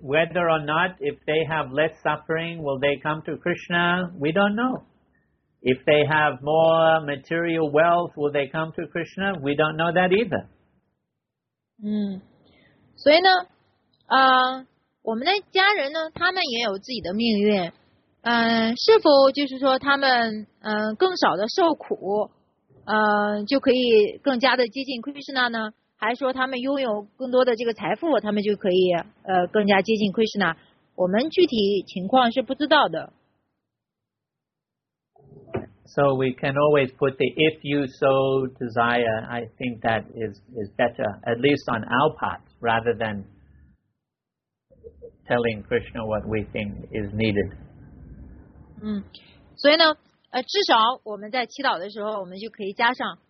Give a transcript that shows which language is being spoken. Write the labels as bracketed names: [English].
[English] Whether or not, if they have less suffering, will they come to Krishna? We don't know. If they have more material wealth, will they come to Krishna? We don't know that either. [Chinese] 嗯，所以呢，我们的家人呢，他们也有自己的命运。是否就是说他们更少的受苦，就可以更加的接近 Krishna 呢？还说他们拥有更多的这个财富，他们就可以更加接近 Krishna。我们具体情况是不知道的。 [English] So we can always put the if you so desire. I think that is better, at least on our part, rather than telling Krishna what we think is needed. [Chinese] 嗯，所以呢，至少我们在祈祷的时候，我们就可以加上。